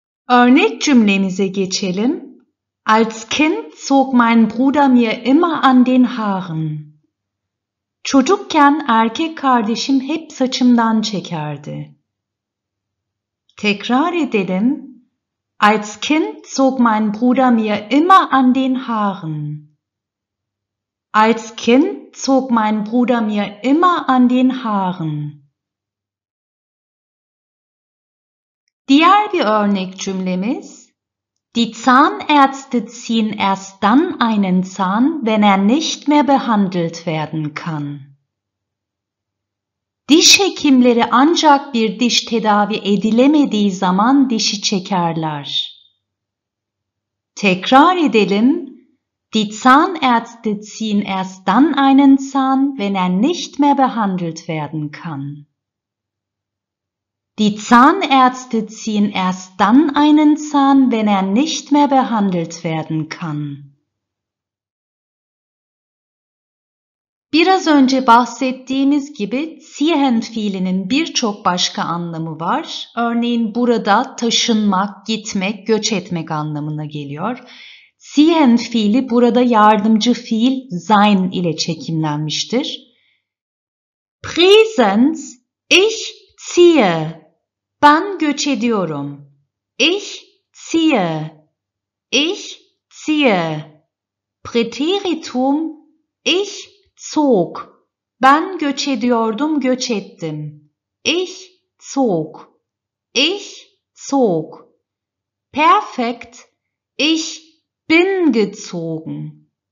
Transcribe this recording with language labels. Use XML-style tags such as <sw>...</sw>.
<tr>Örnek cümlemize geçelim.</tr> <de>Als Kind zog mein Bruder mir immer an den Haaren.</de> <tr>Çocukken erkek kardeşim hep saçımdan çekerdi. Tekrar edelim.</tr> <de>Als Kind zog mein Bruder mir immer an den Haaren. Als Kind zog mein Bruder mir immer an den Haaren.</de> <tr>Diğer bir örnek cümlemiz,</tr> <de>die Zahnärzte ziehen erst dann einen Zahn, wenn er nicht mehr behandelt werden kann.</de> <tr>Diş hekimleri ancak bir diş tedavi edilemediği zaman dişi çekerler. Tekrar edelim.</tr> <de>Die Zahnärzte ziehen erst dann einen Zahn, wenn er nicht mehr behandelt werden kann. Die Zahnärzte ziehen erst dann einen Zahn, wenn er nicht mehr behandelt werden kann.</de> <tr>Biraz önce bahsettiğimiz gibi ziehen fiilinin birçok başka anlamı var. Örneğin burada taşınmak, gitmek, göç etmek anlamına geliyor. Ziehen fiili burada yardımcı fiil sein ile çekimlenmiştir.</tr> <de>Präsens, ich ziehe.</de> <tr>Ben göç ediyorum.</tr> <de>Ich ziehe. Ich ziehe. Präteritum, ich zog.</de> <tr>Ben göç ediyordum, göç ettim.</tr> <de>Ich zog. Ich zog. Perfekt, ich bin gezogen.</de>